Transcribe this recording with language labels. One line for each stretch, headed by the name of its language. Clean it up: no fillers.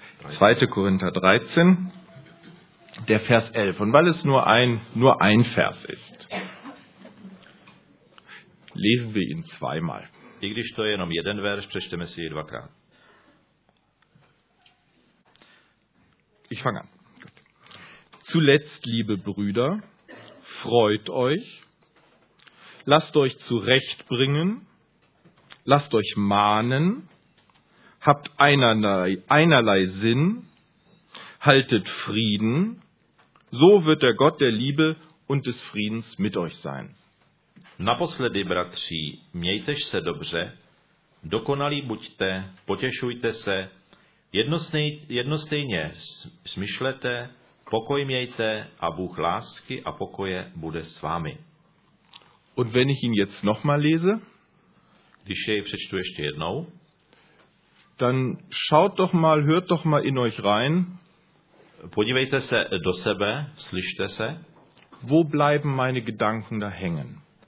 German: Zweite Korinther 13, der Vers 11. Und weil es nur ein Vers ist, lesen wir ihn zweimal.
Czech: I když to je jenom jeden verš, přečteme si je dvakrát.
German: Ich fange an. Zuletzt, liebe Brüder, freut euch, lasst euch zurechtbringen, lasst euch mahnen, habt einerlei Sinn, haltet Frieden, so wird der Gott der Liebe und des Friedens mit euch sein.
Czech: Naposledy, bratři, mějtež se dobře, dokonalí buďte, potěšujte se, jednostejně smyšlete, pokoj mějte a Bůh lásky a pokoje bude s vámi.
German: Und wenn ich ihn jetzt noch mal lese,
Czech: když jej přečtu ještě jednou,
German: dann schaut doch mal, hört doch mal in euch rein,
Czech: podívejte se do sebe, slyšte se,
German: wo bleiben meine Gedanken da hängen?